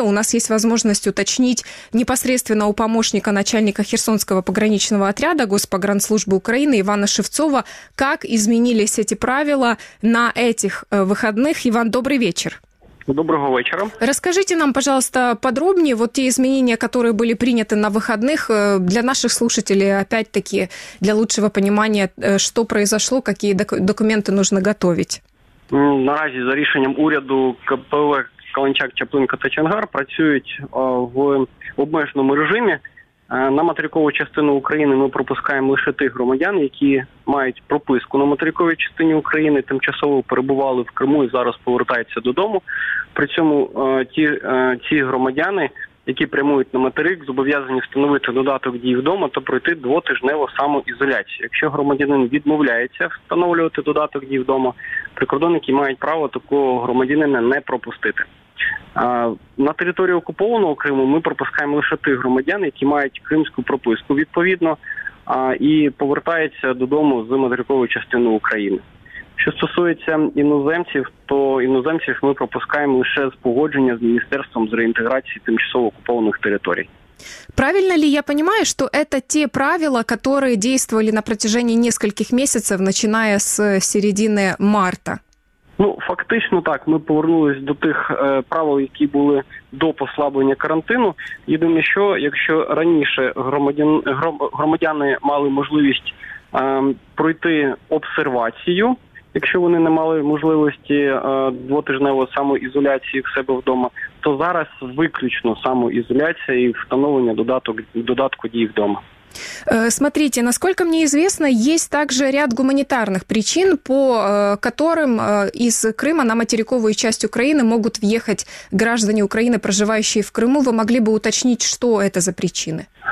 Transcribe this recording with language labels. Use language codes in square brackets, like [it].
[ru] У нас есть возможность уточнить непосредственно у помощника начальника Херсонского пограничного отряда Госпогранслужбы Украины Ивана Шевцова, как изменились эти правила на этих выходных. Иван, добрый вечер. Доброго вечера. Расскажите нам, пожалуйста, подробнее вот те изменения, которые были приняты на выходных для наших слушателей, опять-таки, для лучшего понимания, что произошло, какие документы нужно готовить. [uk] Наразі за рішенням уряду КПВ Каланчак, Чаплинка та Чангар працюють в обмеженому режимі. На материкову частину України ми пропускаємо лише тих громадян, які мають прописку на материковій частині України, тимчасово перебували в Криму і зараз повертаються додому. При цьому ті громадяни, які прямують на материк, зобов'язані встановити додаток дії вдома та пройти двотижневу самоізоляцію. Якщо громадянин відмовляється встановлювати додаток дії вдома, прикордонники мають право такого громадянина не пропустити. На території окупованого Криму ми пропускаємо лише тих громадян, які мають кримську прописку, відповідно, і повертаються додому з материкової частини України. Що стосується іноземців, то іноземців ми пропускаємо лише з погодження з Міністерством з реінтеграції тимчасово окупованих територій. [ru] Правильно ли я понимаю, что это те правила, которые действовали на протяжении нескольких месяцев, начиная с середины марта? [uk] Ну, фактично так. Ми повернулись до тих правил, які були до послаблення карантину. Єдине, що якщо раніше громадяни мали можливість пройти обсервацію, якщо вони не мали можливості двотижневої самоізоляції в себе вдома, то зараз виключно самоізоляція і встановлення додатку дії вдома. [ru] Смотрите, насколько мне известно, есть также ряд гуманитарных причин, по которым из Крыма на материковую часть Украины могут въехать граждане Украины, проживающие в Крыму. Вы могли бы уточнить, что это за причины?